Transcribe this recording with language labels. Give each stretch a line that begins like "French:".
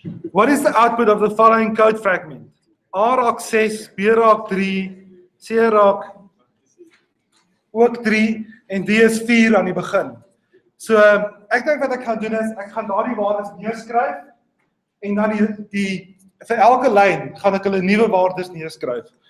English: What is the output of the following code fragment?
Afrikaans: A raak 6, B raak 3, C raak ook 3 en D is 4 aan die begin. So, ek denk wat ek gaan doen is, ek gaan daar die waardes neerskryf en dan die vir elke lijn gaan ek hulle nieuwe waardes neerskryf.